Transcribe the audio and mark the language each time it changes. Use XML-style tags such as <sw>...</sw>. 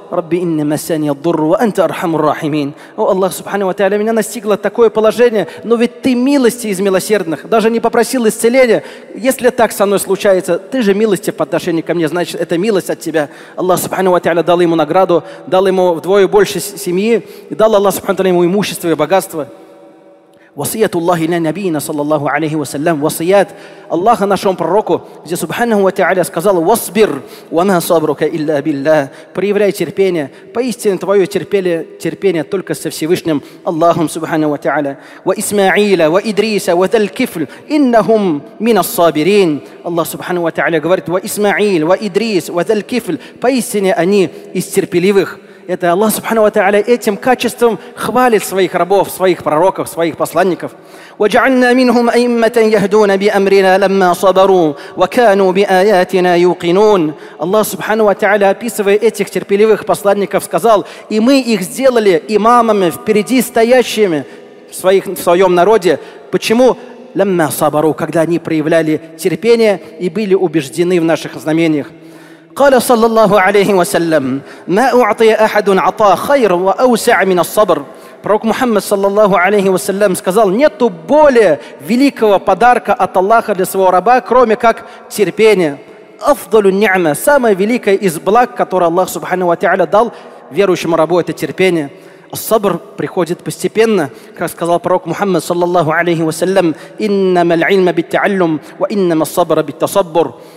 <ar>Рабби инна массания ад-дурру ва анта архамур рахимин.</ar> <ru>О Аллах субхана ва тааля, меня настигло такое положение, но ведь ты милости из милосердных, даже не попросил исцеления. Если так со мной случается, ты же милости по отношению ко мне, значит, это милость от тебя. Аллах субхана ва тааля дал ему награду, дал ему вдвое больше семьи, и дал Аллах субхана ва тааля ему имущество и богатство.</ru> <ar>وصيات الله إلى نبينا صلى الله عليه وسلم وصيات الله</ar> <ru>нашему пророку, где</ru> <ar>سبحانه وتعالى сказал واصبر وما صبرك إلا بالله,</ar> <ru>проявляй терпение, поистине твое терпение, терпение только со Всевышним Аллахом</ru> <ar>سبحانه وتعالى. وإسماعيل وإدريس وذا الكفل إنهم من الصابرين.</ar> <ru>Аллах سبحانه وتعالى говорит</ru> <ar>وإسماعيل وإدريس وذا الكفل,</ar> <ru>поистине они из терпеливых. Это Аллах Субхану ва Тааля этим качеством хвалит своих рабов, своих пророков, своих посланников.</ru> <ar>وجعلنا منهم أئمة يهدون بأمرنا لما صبروا وكانوا بآياتنا يوقنون.</ar> <ru>Аллах Субхану ва Тааля, описывая этих терпеливых посланников, сказал: и мы их сделали имамами, впереди стоящими в своем народе. Почему?</ru> <ar>لما صبروا,</ar> <ru>когда они проявляли терпение и были убеждены в наших знамениях.</ru> <ar>قال صلى الله عليه وسلم ما أعطي أحد عطاء خير وأوسع من الصبر.</ar> <ru>Пророк Мухаммад саллаллаху алейхи ва саллям сказал: нету более великого подарка от Аллаха для своего раба, кроме как терпение.</ru> <ar>أفضل النعمة,</ar> <ru>самое великое из благ, которое Аллах Субхану ва Тааля дал верующему рабу, это терпение. الصبر приходит постепенно, как сказал пророк Мухаммад саллаллаху алейхи ва саллям:</ru> <ar>إنما العلم بالتعلم وإنما الصبر بالتصبر.</ar>